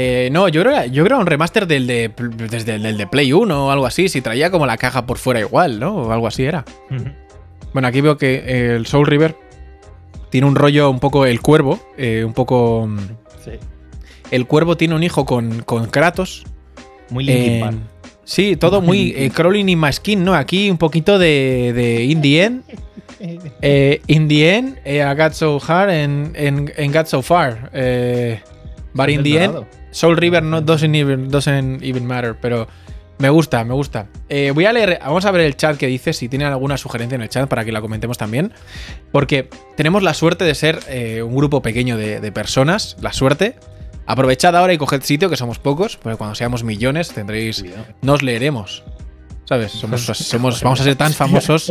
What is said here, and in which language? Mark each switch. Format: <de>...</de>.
<es>No, yo creo un remaster desde el de Play 1 o algo así, si traía como la caja por fuera igual, ¿no? O algo así era. Uh-huh. Bueno, aquí veo que el Soul River tiene un rollo un poco el cuervo, un poco... Sí. El cuervo tiene un hijo con Kratos. Muy Linkin Park. Sí, todo muy</es> <en>crawling in my skin,</en> <es>¿no? Aquí un poquito de In the End.</es> <en>In the End, I got so hard and got so far. But in the end, Soul River not doesn't even matter, pero</en> <es>Me gusta, me gusta. Voy a leer, vamos a ver el chat que dice, si tienen alguna sugerencia en el chat para que la comentemos también. Porque tenemos la suerte de ser un grupo pequeño de personas, la suerte. Aprovechad ahora y coged sitio, que somos pocos, porque cuando seamos millones tendréis... Nos leeremos. ¿Sabes? Vamos a ser tan famosos.</es>